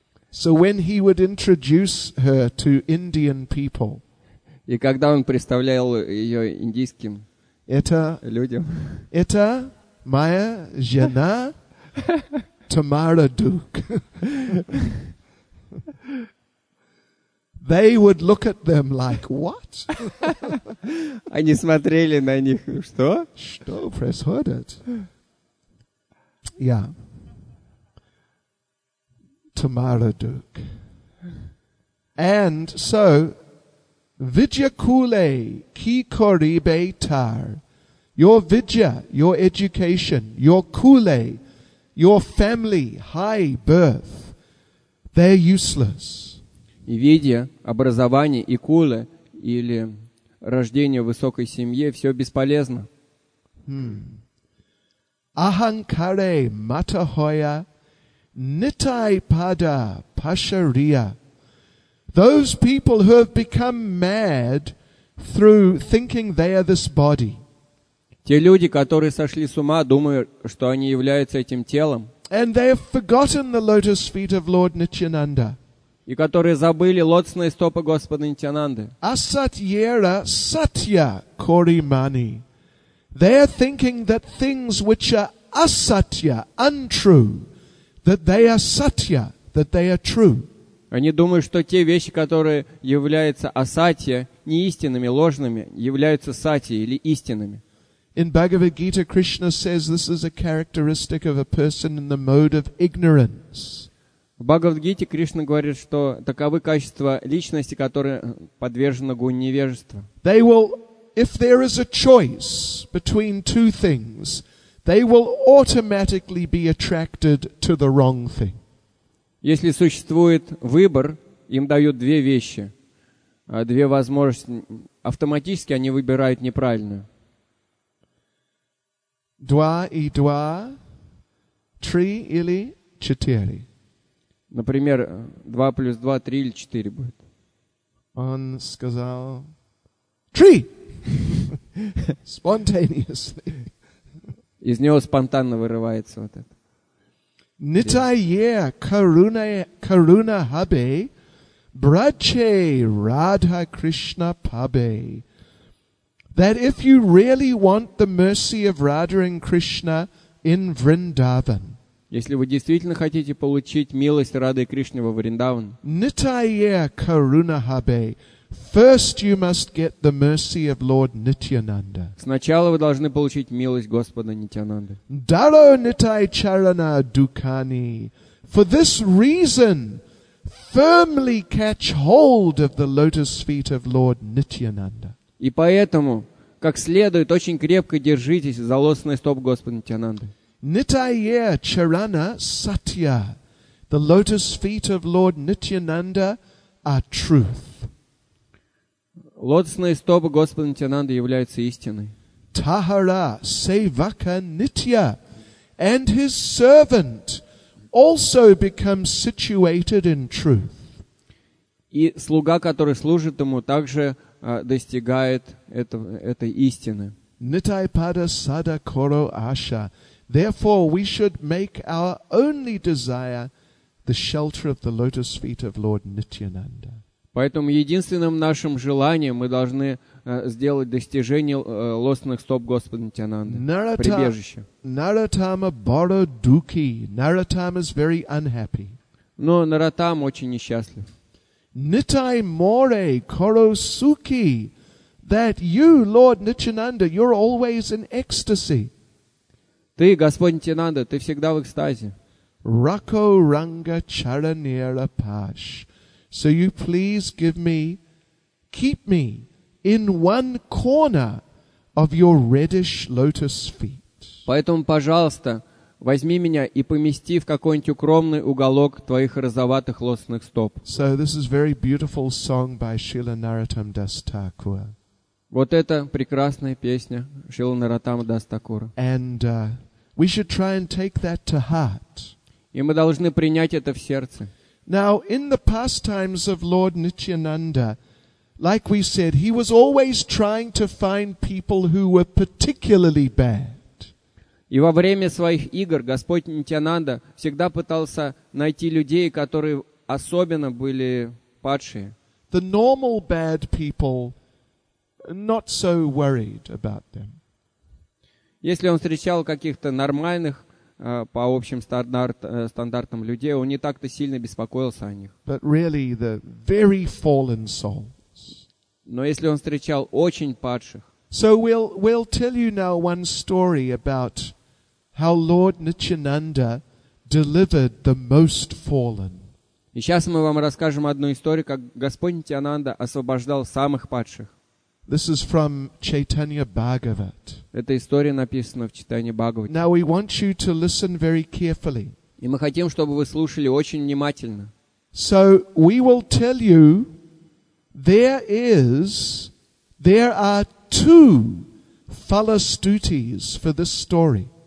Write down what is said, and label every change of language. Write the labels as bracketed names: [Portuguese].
[English] So when he would introduce her to Indian people. [Russian] И когда он представлял ее индийским людям. Это моя жена Тамара Дук. [English] They would look at them like, what? [Russian] Они смотрели на них, что? Что происходит? Yeah. [Bangla] Tamara Duke. [English] And so, [Bangla] Vidyakule ki koribe tar. [English] Your vidya, your education, your kule, your family, high birth. They're useless. [Russian] видя образование и кулы или рождение в высокой семье, все бесполезно. [Bangla] Аханкаре матахоя нитай пада пашария. [English] Those people who have become mad through thinking they are this body. [Russian] Те люди, которые сошли с ума, думают, что они являются этим телом. [English] And they have forgotten the lotus feet of Lord Nityananda. [Russian] И которые забыли лотосные стопы Господа Нитянанды. [Bangla] Асатьера сатья коримани. [English] They are thinking that things which are асатья, untrue, that they are сатья, that they are true. [Russian] Они думают, что те вещи, которые являются асатья, неистинными, ложными, являются сатья или истинными. [English] In Bhagavad Gita, Krishna says this is a characteristic of a person in the mode of ignorance. [Russian] В Бхагавад Гите Кришна говорит, что таковы качества личности, которые подвержены гуне невежества. [English] They will, if there is a choice between two things, they will automatically be attracted to the wrong thing. [Russian] Если существует выбор, им дают две вещи, две возможности, автоматически они выбирают неправильную. Два и два, три или четыре. Например, два плюс два, три или четыре будет. Он сказал три. [English] Spontaneously. [Russian] Из него спонтанно вырывается вот это. [Bangla] Нитайе каруна каруна хабе, браче Радха Кришна пабе. [English] That if you really want the mercy of Radha and Krishna in Vrindavan, [Russian] если вы действительно хотите получить милость Рады и Кришны во Вриндаван, [Bangla] Nitaye karuna habe, [English] first you must get the mercy of Lord Nityananda. [Russian] Сначала вы должны получить милость Господа Нитянанды. [Bangla] Daro nitai charana dukani. [English] For this reason, firmly catch hold of the lotus feet of Lord Nityananda. [Russian] И поэтому, как следует, очень крепко держитесь за лотосный стоп Господа Нитянанды. [Bangla] Nitaye charana satya. [English] The lotus feet of Lord Nityananda are truth. [Russian] Лотосные стопы Господа Нитянанды являются истиной. [Bangla] Tahara sevaka nitya. [English] And his servant also becomes situated in truth. [Russian] И слуга, который служит ему, также достигает этой истины. [Bangla] Nitaipada sada koro asha. [English] Therefore, we should make our only desire the shelter of the lotus feet of Lord Nityananda. [Russian] Поэтому единственным нашим желанием мы должны сделать достижение лотосных стоп Господа Нитянанды, прибежище. [Bangla] Наратама боро дуки. Наратам [English] is very unhappy. [Russian] Но Наратам очень несчастлив. [Bangla] Nitai more korosuki, [English] that you, Lord Nityananda, you're always in ecstasy. [Russian] Ты, Господь Нитянанда, ты всегда в экстазе. [Bangla] Rako ranga charanera pash. [English] So you please give me, keep me in one corner of your reddish lotus feet. [Russian] Поэтому, пожалуйста, возьми меня и помести в какой-нибудь укромный уголок твоих розоватых лотосных стоп. [English] So this is very beautiful song by Srila Narottama Das Thakur. [Russian] Вот это прекрасная песня Шрилы Наротама Дас Такура. [English] And we should try and take that to heart. [Russian] И мы должны принять это в сердце. [English] Now in the pastimes of Lord Nityananda, like we said, he was always trying to find people who were particularly bad. [Russian] И во время своих игр Господь Нитянанда всегда пытался найти людей, которые особенно были падшие. [English] The normal bad people, not so worried about them. [Russian] Если он встречал каких-то нормальных, по общим стандартам людей, он не так-то сильно беспокоился о них. [English] But really the very fallen souls. [Russian] Но если он встречал очень падших. [English] So we'll tell you now one story about how Lord Nityananda delivered the most fallen. [Russian] И сейчас мы вам расскажем одну историю, как Господь Нитянанда освобождал самых падших. [English] This is from Chaitanya Bhagavat. [Russian] Эта история написана в Чайтанья Бхагавате. [English] Now we want you to listen very carefully. [Russian] И мы хотим, чтобы вы слушали очень внимательно. [English] So we will tell you there are two phalanstutes for this story.